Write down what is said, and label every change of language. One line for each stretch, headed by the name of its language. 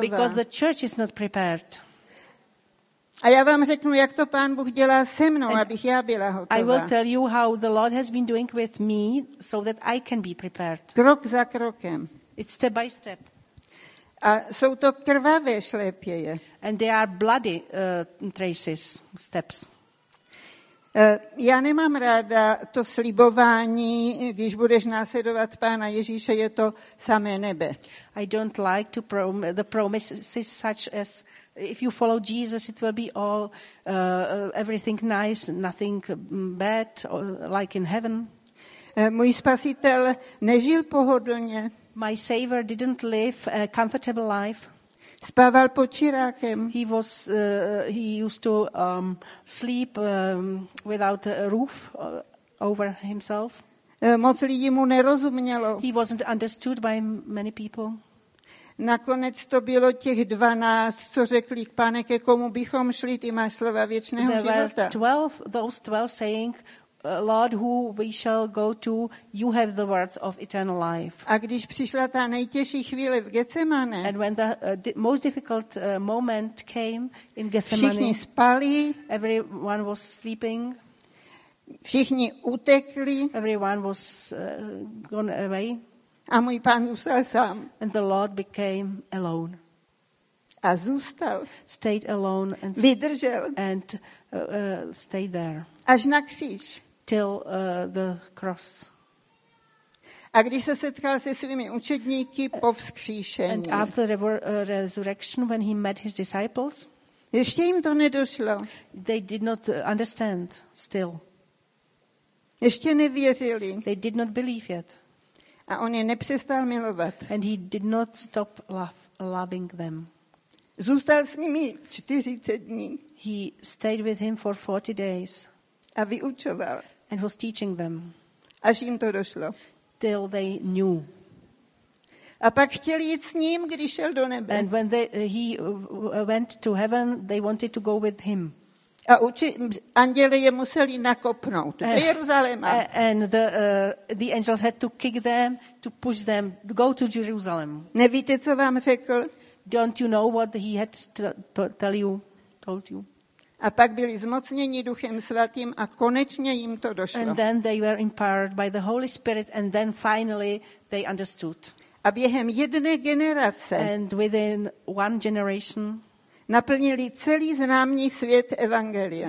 English: Because the church is not prepared.
Czech: A já vám řeknu, jak to Pán Bůh dělá se mnou,
English: and
Czech: abych já byla hotová.
English: I will tell you how the Lord has been doing with me so that I can be prepared.
Czech: Krok za krokem.
English: It's step by step.
Czech: A jsou to krvavé šlépěje.
English: And they are bloody traces, steps.
Czech: Já nemám ráda to slibování, když budeš následovat Pána Ježíše, je to samé nebe.
English: I don't like to the promises such as if you follow Jesus it will be all everything nice, nothing bad or like in heaven.
Czech: Můj spasitel nežil pohodlně.
English: My savior didn't live a comfortable life.
Czech: Spával pod čirákem.
English: He used to sleep without a roof over himself.
Czech: Moc lidí mu nerozumělo.
English: He wasn't understood by many people.
Czech: Nakonec to bylo těch 12, co řekli, Pane, ke komu bychom šli, ty máš slova věčného života.
English: There were 12, those 12 saying, Lord, who we shall go to, you have the words of eternal life.
Czech: A když přišla ta nejtěžší chvíle v Getsemane,
English: and when the most difficult moment came in Getsemane,
Czech: všichni spali,
English: everyone was sleeping,
Czech: všichni utekli,
English: everyone was gone away,
Czech: a můj Pán zůstal sám.
English: And the Lord became alone.
Czech: A zůstal.
English: Stayed alone and
Czech: vydržel.
English: And stayed there.
Czech: Až na kříž.
English: Till the cross.
Czech: A když se setkal se svými učedníky po vzkříšení.
English: And after the resurrection when he met his disciples.
Czech: Ještě jim to nedošlo.
English: They did not understand still.
Czech: Ještě nevěřili.
English: They did not believe yet.
Czech: A on je nepřestal milovat.
English: And he did not stop loving them.
Czech: Zůstal s nimi 40 dní.
English: He stayed with him for 40 days.
Czech: A vyučoval.
English: And was teaching them.
Czech: Až jim to došlo.
English: Till they knew.
Czech: A pak chtěli jít s ním, když šel do nebe.
English: And when he went to heaven, they wanted to go with him.
Czech: A anděle je museli nakopnout do Jeruzaléma.
English: And the angels had to kick them to push them to go to Jerusalem.
Czech: Nevíte, co vám řekl?
English: Don't you know what he had told you?
Czech: A pak byli zmocněni Duchem Svatým a konečně jim to došlo.
English: And then they were empowered by the Holy Spirit and then finally they understood.
Czech: A během jedné generace.
English: And within one generation.
Czech: Naplnili celý známý svět evangeliem.